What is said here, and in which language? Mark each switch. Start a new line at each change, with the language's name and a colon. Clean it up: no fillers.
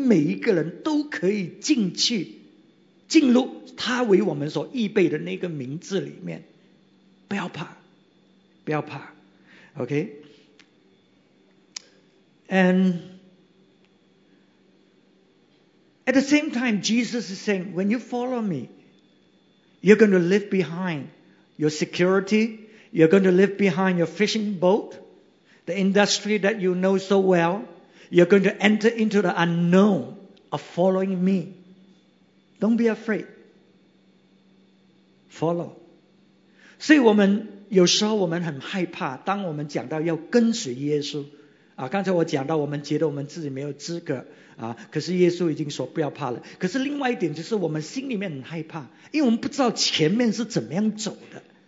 Chinese: 所以耶稣在跟我们每一个人说，我们每一个人都可以进去。进入他为我们所预备的那个名字里面，不要怕，不要怕，OK。
English: And at the same time, Jesus is saying, when you follow me, you're going to leave behind your security. You're going to leave behind your fishing boat, the industry that you know so well. You're going to enter into the unknown of following me. Don't be afraid. Follow.
Chinese: 所以我们有时候我们很害怕, 当我们讲到要跟随耶稣, 啊, 刚才我讲到, 我们觉得我们自己没有资格, 啊, 可是耶稣已经说不要怕了, 可是另外一点就是我们心里面很害怕, 因为我们不知道前面是怎么样走的,